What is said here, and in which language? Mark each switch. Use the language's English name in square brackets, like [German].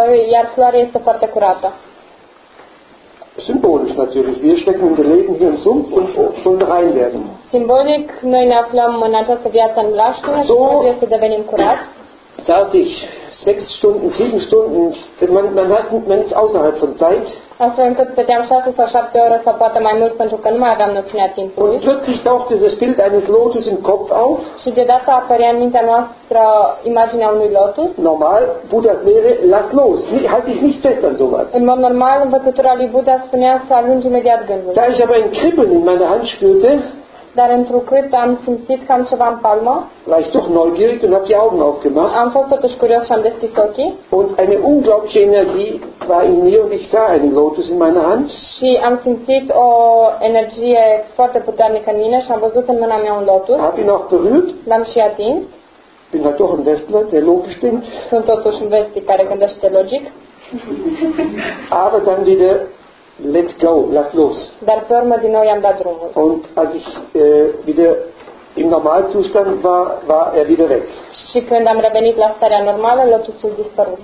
[Romanian] Iar floarea este foarte curată. [German] Symbolisch natürlich. Wir stecken unsere Leben hier im Sumpf und sollen rein werden. [Romanian] Symbolic, noi ne aflăm în această viață în mlaștină și trebuie să devenim curați. [German] Saß ich 6 Stunden, 7 Stunden, man ist außerhalb von Zeit. [Romanian] Astfel încât stăteam 6 sau 7 ore sau poate mai mult pentru că nu mai aveam noțiunea timpului. [German] Und plötzlich tauchte das Bild eines Lotus im Kopf auf. [Romanian] Și deodată apărea în mintea noastră imaginea unui lotus. [German] Normal, Buddhas Lehre, lass los, halt dich nicht fest an sowas. [Romanian] În mod normal, învățătura lui Buddha spunea să alungi imediat gândul. [German] Da ich aber ein Kribbeln in meiner Hand spürte, [Romanian] dar întrucât am simțit că am ceva în palmă. [German] War ich doch neugierig und hab die Augen aufgemacht. [Romanian] Am fost totuși curios și am deschis ochii. [German] Und eine unglaubliche Energie war in mir und ich sah einen Lotus in meiner Hand. [Romanian] Și am simțit o energie foarte puternică în mine și am văzut în mâna mea un lotus. [German] Hab ihn auch berührt. [Romanian] L-am și atins. [German] Bin halt doch ein Westler, der logisch denkt. [Romanian] Sunt totuși un vestic care gândește logic. [German] Aber dann wieder [English] let go, [German] lass los. [Romanian] Dar pe urmă din nou i-am dat drumul. [German] Und als ich wieder im Normalzustand war, war er wieder weg. [Romanian] Și când am revenit la starea normală, lotusul dispărut.